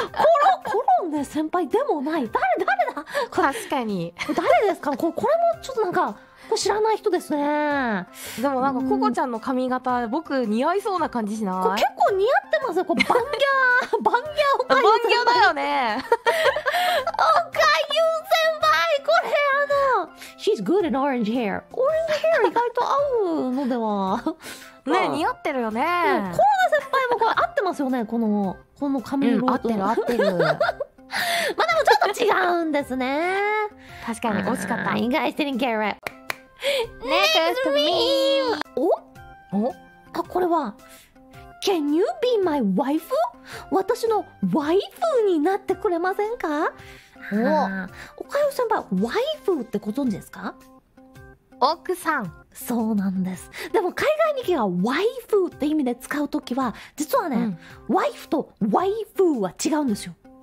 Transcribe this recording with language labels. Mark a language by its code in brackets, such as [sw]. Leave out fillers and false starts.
[ja] コロンね、先輩でもない、誰だ、確かに誰ですか、これもちょっとなんか知らない人ですね。でもなんかココちゃんの髪型、うん、僕似合いそうな感じしない？結構似合ってますよ、バンギャーバンギャーおかゆ、バンギャーだよね。おかゆ先輩、これあの [en] She's good in orange hair。 [ja] オレンジヘア意外と合うのではね、似合ってるよね、うん、コロナ先輩もこれ合ってますよね、この髪色と、うん、合ってるまあでもちょっと違うんですね。確かに惜しかった。 [en] You guys didn't get it. Next meme! [ja] おあ、これは [en] Can you be my wife? [ja] 私のワイフになってくれませんか。おかゆ先輩、ワイフってご存知ですか。奥さん、そうなんです。でも海外に行けばワイフって意味で使うときは実はね、うん、ワイフとワイフは違うんですよ。